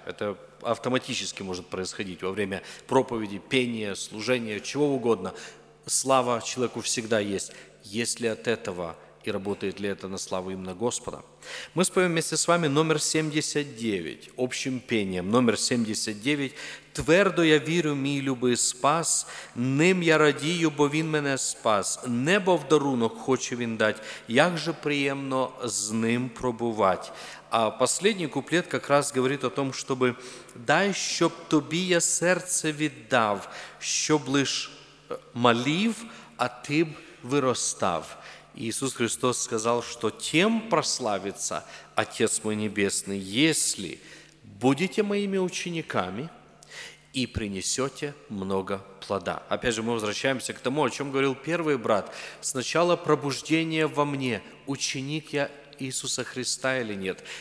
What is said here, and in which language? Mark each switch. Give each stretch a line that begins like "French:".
Russian: Это автоматически может происходить во время проповеди, пения, служения, чего угодно. Слава человеку всегда есть. Есть ли от этого и работает ли это на славу именно Господа? Мы споем вместе с вами номер 79, общим пением. Номер 79.
Ukrainian: «Твердо я вірю, мій любий спас, ним я радію, бо він мене спас. Небо в дарунок хоче він дать, як же приємно з ним пробувать».
Russian: А последний куплет как раз говорит о том, чтобы
Ukrainian: «дай, щоб тобі я серце віддав, щоб лиш молив, а ти б виростав».
Russian: Иисус Христос сказал, что тем прославится Отец мой Небесный, если будете моими учениками и принесете много плода. Опять же, мы возвращаемся к тому, о чем говорил первый брат. Сначала пробуждение во мне, ученик я Иисуса Христа или нет.